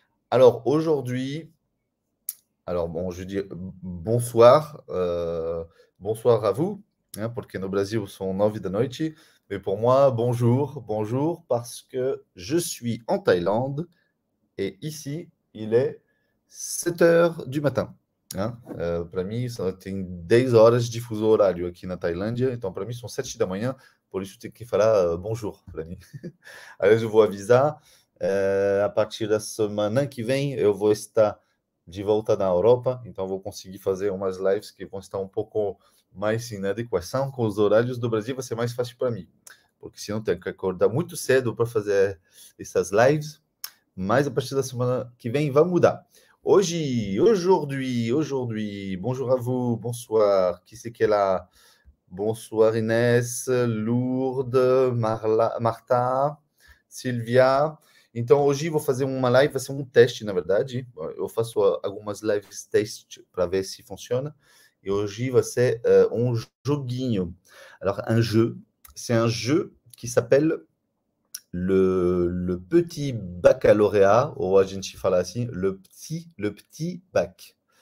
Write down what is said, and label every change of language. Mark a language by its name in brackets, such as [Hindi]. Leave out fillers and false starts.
[French] Alors, aujourd'hui, alors bon, je dis bonsoir. Bonsoir à vous, hein, pour que nos Brésils sont en vie de noite. Mais pour moi, bonjour, bonjour, parce que je suis en Thaïlande et ici, il est 7 h du matin. Hein? [Portuguese] Para mim, tem 10 horas de fuso horário aqui na Tailândia. Então, para mim, são 7 da manhã. Por isso, tenho que falar bonjour para mim. Aliás, eu vou avisar. A partir da semana que vem, eu vou estar de volta na Europa. Então, vou conseguir fazer umas lives que vão estar um pouco mais em adequação com os horários do Brasil. Vai ser mais fácil para mim. Porque senão, tenho que acordar muito cedo para fazer essas lives. Mas, a partir da semana que vem, vai mudar. [French] Aujourd'hui, bonjour à vous, bonsoir, qui c'est qui est là? Bonsoir Inès, Lourdes, Martha, Sylvia. [Portuguese] Então, hoje vou fazer uma live, vai ser um teste, na verdade. Eu faço algumas lives teste para ver se funciona. E hoje vai ser um joguinho. [French] Alors, un jeu, c'est un jeu qui s'appelle le petit baccalauréat, [Portuguese] ou a gente fala assim, [French] le petit bac.